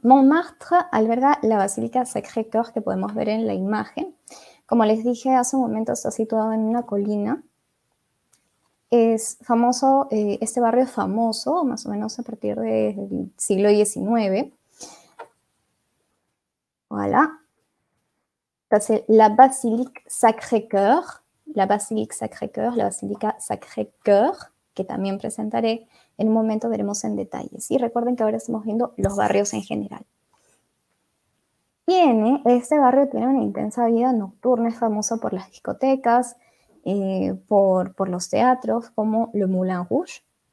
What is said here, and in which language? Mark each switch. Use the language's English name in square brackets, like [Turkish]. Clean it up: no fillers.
[Spanish] Montmartre alberga la Basílica Sacré-Cœur que podemos ver en la imagen. Como les dije hace un momento, está situado en una colina. Es famoso, este barrio es famoso, más o menos a partir del siglo XIX. [French] Voilà. Ça, c'est la Basilique Sacré-Cœur. [Spanish] La Basilique Sacré-Cœur, la Basílica Sacré-Cœur, que también presentaré. En un momento veremos en detalle. Y recuerden que ahora estamos viendo los barrios en general. Este barrio tiene una intensa vida nocturna, es famoso por las discotecas, por los teatros como Le Moulin Rouge.